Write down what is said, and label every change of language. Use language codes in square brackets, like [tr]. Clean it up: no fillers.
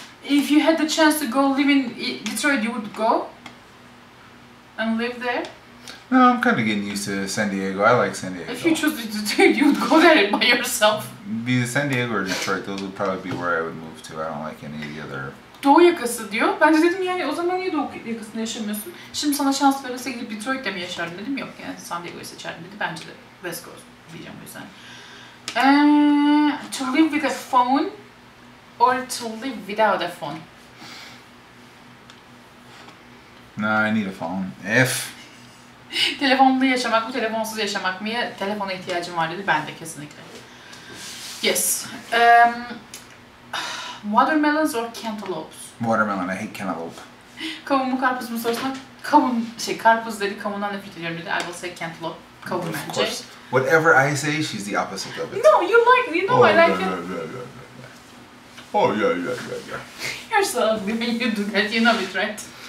[en] If you had the chance to go live in Detroit, you would go and live there? No, I'm kind of getting used to San Diego. I like San Diego. If you chose Detroit, you would go there by yourself. Be it San Diego or Detroit, those would probably be where I would move to. I don't like any of the other. [tr] Doğu yakası diyor. Ben de dedim yani o zaman niye doğu yakasında yaşamıyorsun? Şimdi sana şans verilse gidip Detroit'te mi yaşardın dedim. Yok yani San Diego'yu seçerdim dedi. Bence de West Coast diyeceğim o yüzden. [en] To live with a phone or to live without a phone? Nah, I need a phone. If. [tr] Telefonlu yaşamak mı, telefonsuz yaşamak mı? Ya telefona ihtiyacım var dedi. Ben de kesinlikle. Yes. [en] Watermelons or cantaloupes? Watermelon. I hate cantaloupe. [tr] Kavun mu, karpuz mu sorsan? Kavun, karpuz dedi. Kavundan nefret ediyorum dedi. [en] I will say cantaloupe. Kobe magic. Course. Whatever I say, she's the opposite of it. No, you like, you know, oh, I like yeah, it. Yeah, yeah, yeah. Oh, yeah, yeah, yeah, yeah. You're so ugly when you do that, you know it, right?